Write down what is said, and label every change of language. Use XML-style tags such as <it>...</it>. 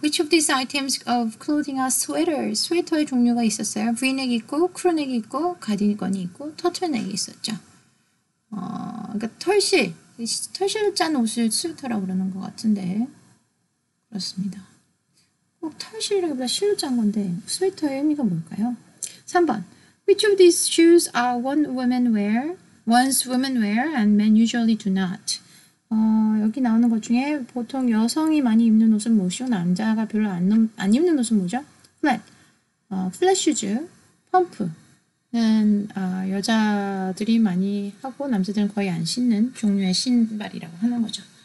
<en>Which of these items of clothing are sweaters?</en> <ko>스웨터의 종류가 있었어요. V-neck 있고, crewneck 있고, 가디건이 있고, turtleneck 있었죠. 그러니까 털실을 짠 옷을 스웨터라고 그러는 것 같은데. 그렇습니다. 꼭 털실이라기보다 실로 짠 건데 스웨터의 의미가 뭘까요? 3번.</ko> <en>Which of these shoes are ones women wear and men usually do not?</en> <ko>여기 나오는 것 중에 보통 여성이 많이 입는 옷은 뭐시고 남자가 별로 안 입는 옷은 뭐죠? Flat shoes, 펌프는 여자들이 많이 하고 남자들은 거의 안 신는 종류의 신발이라고 하는 거죠.</ko>